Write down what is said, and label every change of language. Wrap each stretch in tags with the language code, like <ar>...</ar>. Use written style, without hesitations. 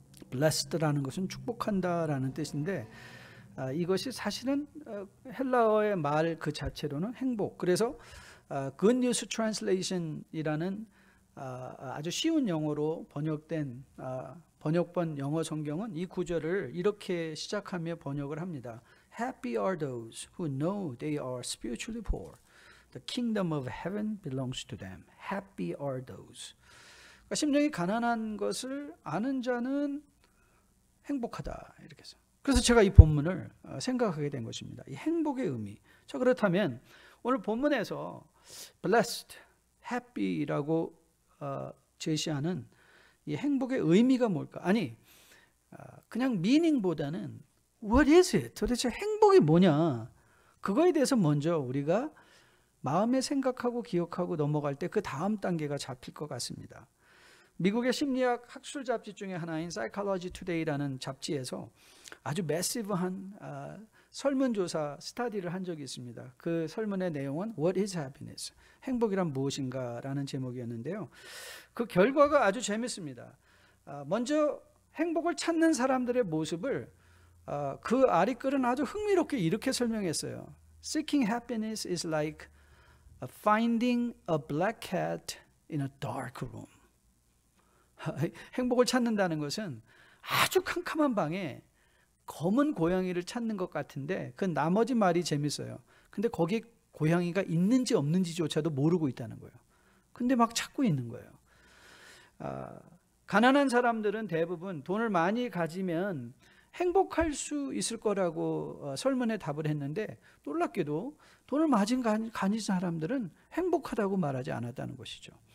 <ko>blessed라는 것은 축복한다라는 뜻인데, 이것이 사실은 헬라어의 말 그 자체로는 행복. 그래서 good news translation이라는 아주 쉬운 영어로 번역된 번역본 영어 성경은 이 구절을 이렇게 시작하며 번역을 합니다.</ko> <en>Happy are those who know they are spiritually poor. The kingdom of heaven belongs to them. Happy are those.</en> <ko>그러니까 심정이 가난한 것을 아는 자는 행복하다. 이렇게 해서. 그래서 제가 이 본문을 생각하게 된 것입니다. 이 행복의 의미. 자, 그렇다면 오늘 본문에서 blessed, happy라고 제시하는 이 행복의 의미가 뭘까? 아니, 그냥 meaning보다는</ko> <en>what is it?</en> <ko>도대체 행복이 뭐냐? 그거에 대해서 먼저 우리가 마음에 생각하고 기억하고 넘어갈 때 그 다음 단계가 잡힐 것 같습니다. 미국의 심리학 학술 잡지 중에 하나인 Psychology Today라는 잡지에서 아주 매시브한 설문조사 스터디를 한 적이 있습니다. 그 설문의 내용은</ko> <en>What is happiness?</en> <ko>행복이란 무엇인가? 라는 제목이었는데요. 그 결과가 아주 재밌습니다. 먼저 행복을 찾는 사람들의 모습을 그 아리글은 아주 흥미롭게 이렇게 설명했어요.</ko> <en>Seeking happiness is like finding a black cat in a dark room.</en> <ko>행복을 찾는다는 것은 아주 캄캄한 방에 검은 고양이를 찾는 것 같은데, 그 나머지 말이 재밌어요. 근데 거기 고양이가 있는지 없는지조차도 모르고 있다는 거예요. 근데 막 찾고 있는 거예요. 가난한 사람들은 대부분 돈을 많이 가지면 행복할 수 있을 거라고 설문에 답을 했는데, 놀랍게도 돈을 많이 가진 사람들은 행복하다고 말하지 않았다는 것이죠.</ko>